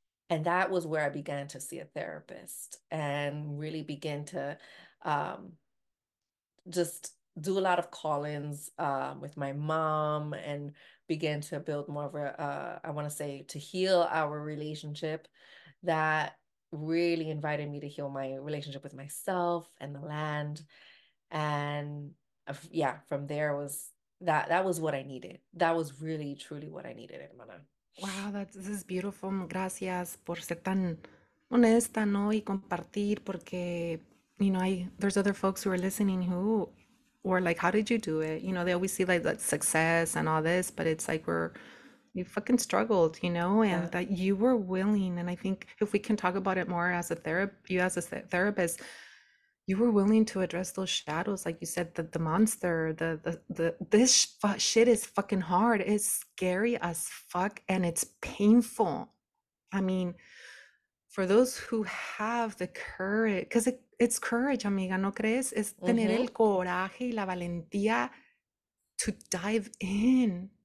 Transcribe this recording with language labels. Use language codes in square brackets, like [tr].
[en] And that was where I began to see a therapist and really begin to just do a lot of call-ins with my mom and begin to build more of a, I want to say, to heal our relationship. That really invited me to heal my relationship with myself and the land. And yeah, from there was that was what I needed. That was really, truly what I needed, hermana. Wow, this is beautiful. [es] Gracias por ser tan honesta, ¿no? Y compartir, porque, [en] you know, there's other folks who are listening who were like, how did you do it? You know, they always see like that success and all this, but it's like you fucking struggled, you know, and yeah. That you were willing. And I think if we can talk about it more as a therapist, you as a therapist, you were willing to address those shadows, like you said, the monster, this shit is fucking hard. It's scary as fuck, and it's painful. I mean, for those who have the courage, because it's courage, amiga, [es] ¿no crees? Es tener el coraje y la valentía [en] to dive in.